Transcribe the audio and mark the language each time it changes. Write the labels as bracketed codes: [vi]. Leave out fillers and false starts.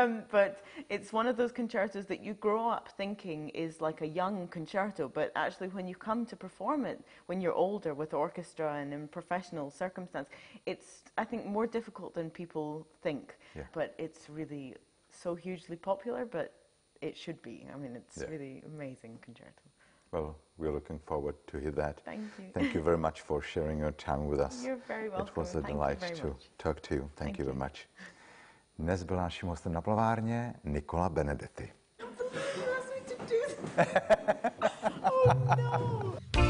[en] but it's one of those concertos that you grow up thinking is like a young concerto, but actually when you come to perform it, when you're older with orchestra and in professional circumstance, it's, I think, more difficult than people think. Yeah. But it's really so hugely popular, but it should be. I mean, it's really amazing concerto. Well, we're looking forward to hear that. Thank you. Thank you very much for sharing your time with us. You're very welcome. It was a delight to talk to you. Thank you very much. [cs] Dnes byl naším hostem na plavárně Nicola Benedetti. [en] Don't ask me to do this. Oh, no.